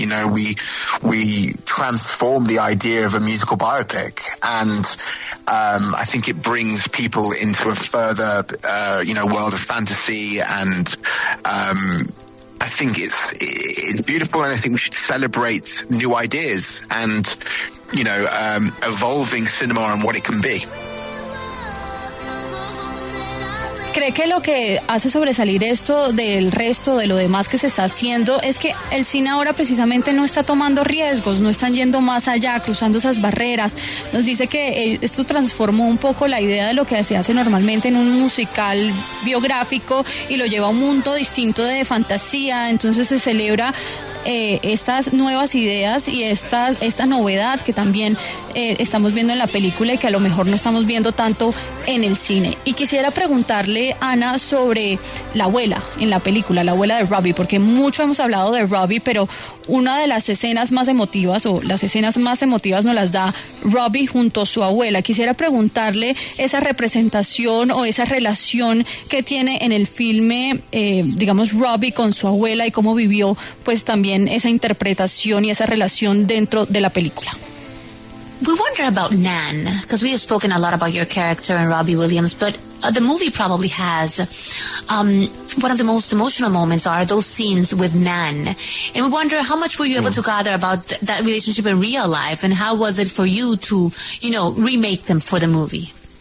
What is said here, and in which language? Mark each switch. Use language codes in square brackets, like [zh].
[en] You know, we transform the idea of a musical biopic, and I think it brings people into a further world of fantasy, and I think it's beautiful, and I think we should celebrate new ideas and evolving cinema and what it can be. [es] ¿Cree que lo que hace sobresalir esto del resto de lo demás que se está haciendo es que el cine ahora precisamente no está tomando riesgos, no están yendo más allá, cruzando esas barreras? Nos dice que esto transformó un poco la idea de lo que se hace normalmente en un musical biográfico y lo lleva a un mundo distinto de fantasía. Entonces se celebra estas nuevas ideas y esta novedad que también estamos viendo en la película y que a lo mejor no estamos viendo tanto en el cine. Y quisiera preguntarle, Ana, sobre la abuela en la película, la abuela de Robbie, porque mucho hemos hablado de Robbie, pero una de las escenas más emotivas o las escenas más emotivas nos las da Robbie junto a su abuela. Quisiera preguntarle esa representación o esa relación que tiene en el filme, Robbie con su abuela, y cómo vivió pues también esa interpretación y esa relación dentro de la película. [en] We wonder about Nan, because we have spoken a lot about your character and Robbie Williams, but the movie probably has one of the most emotional moments are those scenes with Nan. And we wonder how much were you able to gather about that relationship in real life, and how was it for you to, you know, remake them for the movie?